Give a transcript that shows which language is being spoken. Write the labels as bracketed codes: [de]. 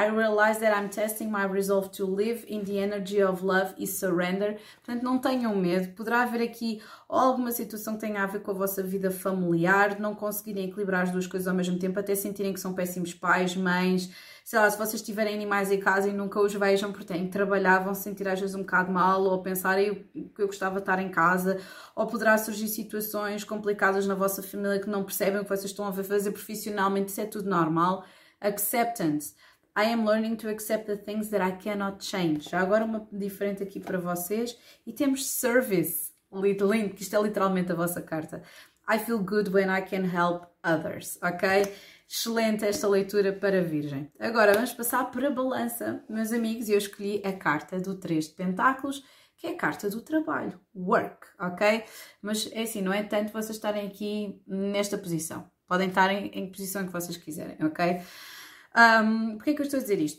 [en] I realize that I'm testing my resolve to live in the energy of love and surrender. [pt] Portanto, não tenham medo. Poderá haver aqui alguma situação que tenha a ver com a vossa vida familiar, não conseguirem equilibrar as duas coisas ao mesmo tempo, até sentirem que são péssimos pais, mães. Sei lá, se vocês tiverem animais em casa e nunca os vejam porque têm que trabalhar, vão se sentir às vezes um bocado mal ou pensar que eu gostava de estar em casa. Ou poderá surgir situações complicadas na vossa família que não percebem o que vocês estão a fazer profissionalmente. Isso é tudo normal. Acceptance. [en] I am learning to accept the things that I cannot change. [pt] Já agora uma diferente aqui para vocês. E temos service. Lindo, que isto é literalmente a vossa carta. [en] I feel good when I can help others, ok? [pt] Excelente esta leitura para a Virgem. Agora vamos passar para a Balança, meus amigos, e eu escolhi a carta do 3 de Pentáculos, que é a carta do trabalho, work, ok? Mas é assim, não é tanto vocês estarem aqui nesta posição. Podem estar em posição que vocês quiserem, ok? Porque é que eu estou a dizer isto?